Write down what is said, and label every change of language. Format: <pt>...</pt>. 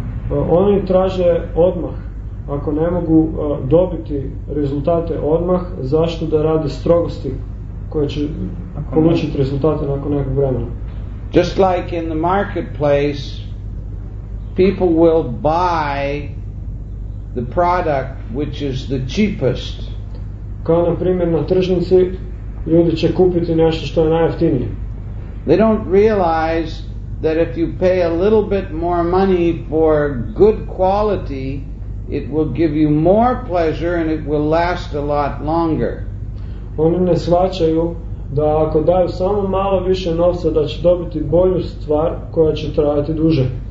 <hr>Oni traže odmah. Ako ne mogu dobiti rezultate odmah, zašto da rade strogosti koje će polučiti rezultate nakon nekog vremena?</hr> <en>Just like in the marketplace, people will buy the product which is the cheapest.</en> <hr>Kao na primjer na tržnici, ljudi će kupiti nešto što je najjeftinije.</hr> <en>They don't realize that if you pay a little bit more money for good quality, it will give you more pleasure and it will last a lot longer.</en> <hr>Oni ne shvaćaju da ako daju samo malo više novca, da će dobiti bolju stvar koja će trajati duže.</hr>